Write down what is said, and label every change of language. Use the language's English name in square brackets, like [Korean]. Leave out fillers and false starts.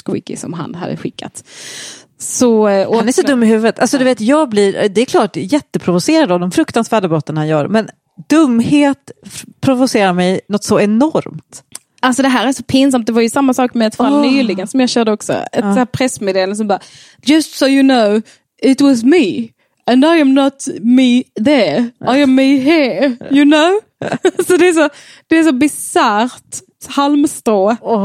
[Swedish] Squeaky som han hade skickat. Så, han är så dum i huvudet. Alltså, du vet, jag blir, det är klart, jätteprovocerad av de fruktansvärda brotten han gör, men dumhet provocerar mig något så enormt. Alltså det här är så pinsamt. Det var ju samma sak med ett fall nyligen som jag körde också. Ett så här pressmeddelande som bara, [English] just so you know, it was me. And I am not me there. I am me here, you know? [Swedish] Så det är så bizarrt halmstrå.